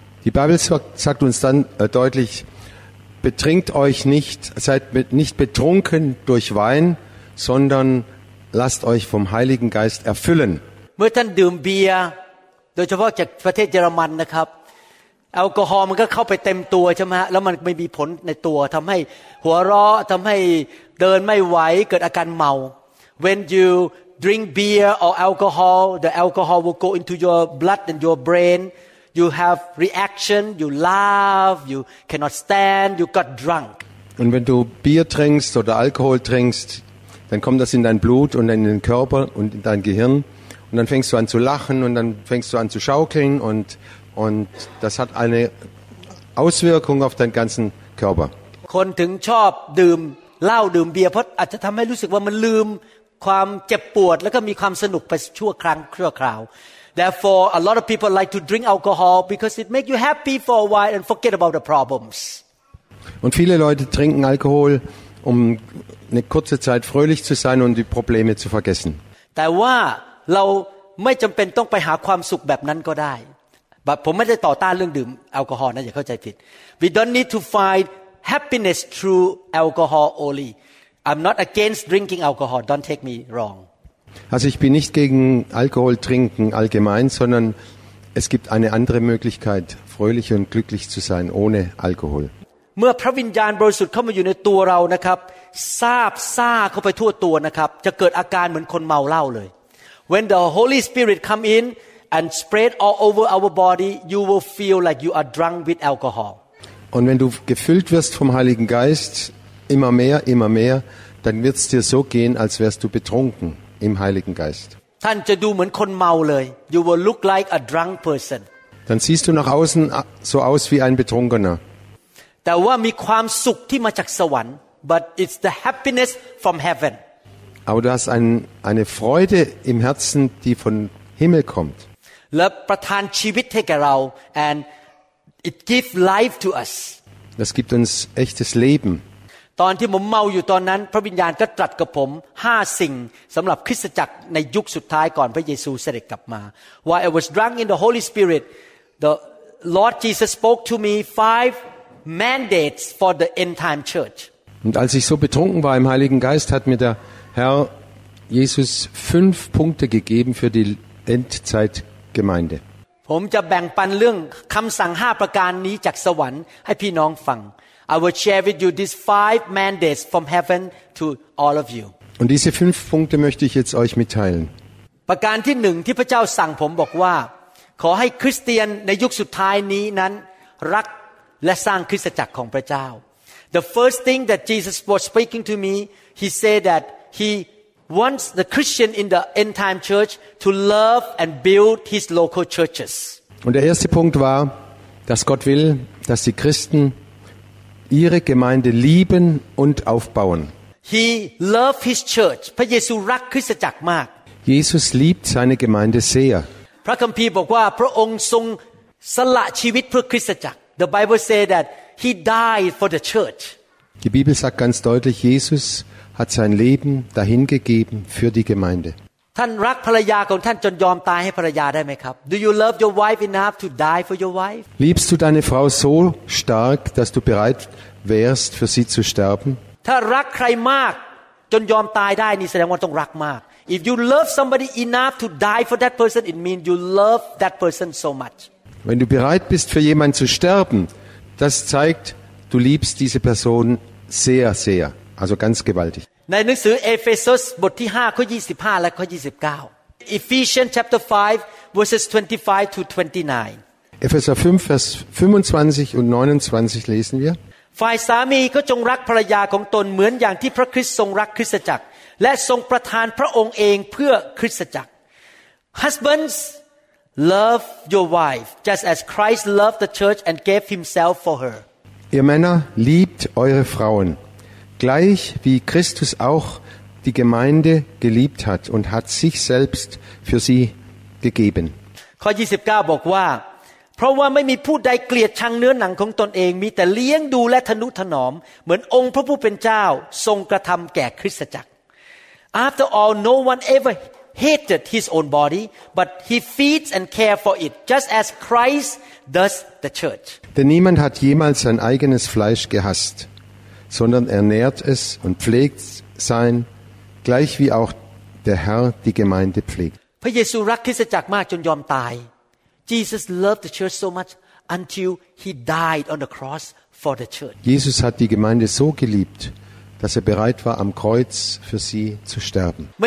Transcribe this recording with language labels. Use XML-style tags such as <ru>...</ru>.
<de>Die Bibel sagt uns dann deutlich, betrinkt euch nicht, seid nicht betrunken durch Wein, sondern lasst euch vom Heiligen Geist erfüllen.</de> <th>เมื่อท่านดื่มเบียร์โดยเฉพาะจากประเทศเยอรมันนะครับแอลกอฮอล์มันก็เข้าไปเต็มตัวใช่ไหมฮะแล้วมันไม่มีผลในตัวทำให้หัวเราะทำให้เดินไม่ไหวเกิดอาการเมา</th> <en>When you drink beer or alcohol, the alcohol will go into your blood and your brain. You have reaction, you laugh, you cannot stand, you got drunk.</en> <de>Und wenn du Bier trinkst oder Alkohol trinkst, dann kommt das in dein Blut und in den Körper und in dein Gehirn und dann fängst du an zu lachen und dann fängst du an zu schaukeln und Und das hat eine Auswirkung auf deinen ganzen Körper.</de> <en>Therefore, a lot of people like to drink alcohol because it makes you happy for a while and forget about the problems.</en> <de>Und viele Leute trinken Alkohol, um eine kurze Zeit fröhlich zu sein und die Probleme zu vergessen.</de> <th>แต่ว่าเราไม่จำเป็นต้องไปหาความสุขแบบนั้นก็ได้ผมไม่ได้ต่อต้านเรื่องดื่มแอลกอฮอล์นะอย่าเข้าใจผิด</th> <en>We don't need to find happiness through alcohol only. I'm not against drinking alcohol. Don't take me wrong.</en> <de>Also ich bin nicht gegen Alkohol trinken allgemein, sondern es gibt eine andere Möglichkeit, fröhlich und glücklich zu sein ohne Alkohol.</de> <th>เมื่อพระวิญญาณบริสุทธิ์เข้ามาอยู่ในตัวเรานะครับซาบซ่าเข้าไปทั่วตัวนะครับจะเกิดอาการเหมือนคนเมาเหล้าเลย</th> <en>When the Holy Spirit come inAnd spread all over our body, you will feel like you are drunk with alcohol.</en> <de>Und wenn du gefüllt wirst vom Heiligen Geist, immer mehr, dann wird's dir so gehen, als wärst du betrunken im Heiligen Geist.</de> <en>Dann</en> <th>จะดูเหมือนคนเมาเลย</th> <en>You will look like a drunk person.</en> <de>Dann siehst du nach außen so aus wie ein Betrunkener.</de> <th>แต่ว่ามีความสุขที่มาจากสวรรค์</th> <en>But it's the happiness from heaven.</en> <de>Aber du hast eine Freude im Herzen, die vonHimmel kommt.</de> <th>และประทานชีวิตให้แก่เรา</th> <en>and it gives life to us.</en> <de>Das gibt uns echtes Leben.</de> <th>ตอนที่ผมเมาอยู่ตอนนั้นพระวิญญาณก็ตรัสกับผม5สิ่งสำหรับคริสตจักรในยุคสุดท้ายก่อนพระเยซูเสด็จกลับมา</th> <en>While I was drunk in the Holy Spirit, the Lord Jesus spoke to me 5 mandates for the end time church.</en> <de>Und als ich so betrunken war im Heiligen Geist, hat mir der Herr Jesus 5 Punkte gegeben für dieEndzeitgemeinde.</de> <th>ผมจะแบ่งปันเรื่องคำสั่ง5ประการนี้จากสวรรค์ให้พี่น้องฟัง</th> <en>I will share with you these 5 mandates from heaven to all of you.</en> <de>Und diese 5 Punkte möchte ich jetzt euch mitteilen.</de> <th>ประการที่1ที่พระเจ้าสั่งผมบอกว่าขอให้คริสเตียนในยุคสุดท้ายนี้นั้นรักและสร้างคริสตจักรของพระเจ้า</th> <en>The first thing that Jesus was speaking to me, he said that heWants the Christian in the end time church to love and build his local churches.</en> <de>Und der erste Punkt war, dass Gott will, dass die Christen ihre Gemeinde lieben und aufbauen.</de> <en>He loved his church.</en> <th>พระเยซูรักคริสตจักรมาก</th> <de>Jesus liebt seine Gemeinde sehr.</de> <th>พระคัมภีร์บอกว่าพระองค์ทรงสละชีวิตเพื่อคริสตจักร</th> <en>The Bible says that he died for the church.</en> <de>Die Bibel sagt ganz deutlich, Jesus. Hat sein Leben dahin gegeben für die Gemeinde.</de> <th>Tan rak phraya kong tan chon yom tai hai phraya dai mai khap?</th> <en>Do you love your wife enough to die for your wife?</en> <de>Liebst du deine Frau so stark, dass du bereit wärst für sie zu sterben?</de> <th>Ta rak khrai mak chon yom tai dai ni sadang wan tong rak mak.</th> <en>If you love somebody enough to die for that person, it means you love that person so much.</en> <de>Wenn du bereit bist, für jemanden zu sterben, das zeigt, du liebst diese Person sehr, sehr. Also ganz gewaltig.</de> <th>ในหนังสือเอเฟซัสบทที่5ข้อ25และข้อ29</th> <en>Ephesians chapter 5 verses 25 to 29</en> <de>Epheser 5 vers 25 und 29 lesen wir</de> <th>ฝ่ายสามีก็จงรักภรรยาของตนเหมือนอย่างที่พระคริสต์ทรงรักคริสตจักรและทรงประทานพระองค์เองเพื่อคริสตจักร</th> <en>Husbands love your wife just as Christ loved the church and gave himself for her</en> <de>Ihr Männer liebt eure Frauen gleich wie Christus auch die Gemeinde geliebt hat und hat sich selbst für sie gegeben</de> <th>ข้อ29บอกว่าเพราะว่าไม่มีผู้ใดเกลียดชังเนื้อหนังของตนเองมีแต่เลี้ยงดูและทนุถนอมเหมือนองค์พระผู้เป็นเจ้าทรงกระทําแก่คริสตจักร</th> <en>After all no one ever hated his own body but he feeds and care for it just as Christ does the church</en> <de>Denn niemand hat jemals sein eigenes Fleisch gehasst sondern ernährt es und pflegt sein, gleich wie auch der Herr die Gemeinde pflegt.</de> <en>Jesus loved the church so much until he died on the cross for the church.</en> <de>Jesus hat die Gemeinde so geliebt, dass er bereit war, am Kreuz für sie zu sterben.</de>